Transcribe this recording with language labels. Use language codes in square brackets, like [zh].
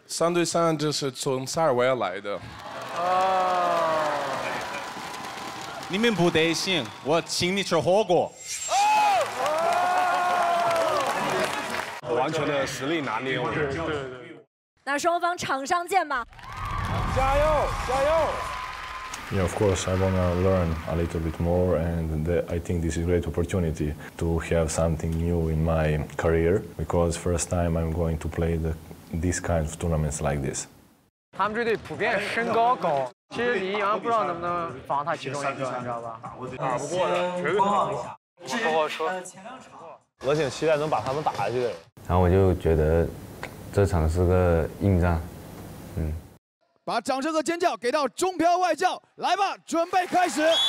[zh] 3对3就是从塞尔维亚来的。哦，你们不得行，我请你吃火锅。完全的实力拿捏，我觉得。那双方场上见吧。加油，加油。 [en] Yeah, of course, I wanna learn a little bit more, and I think this is a great opportunity to have something new in my career because first time I'm going to play this kind of tournaments like this. [zh] 他们这队普遍身高高。其实李易阳不知道能不能防他其中一个，你知道吧？打不过的，绝对防不下。我说，我挺期待能把他们打下去的。然后我就觉得这场是个硬仗，嗯。把掌声和尖叫给到中漂外教，来吧，准备开始。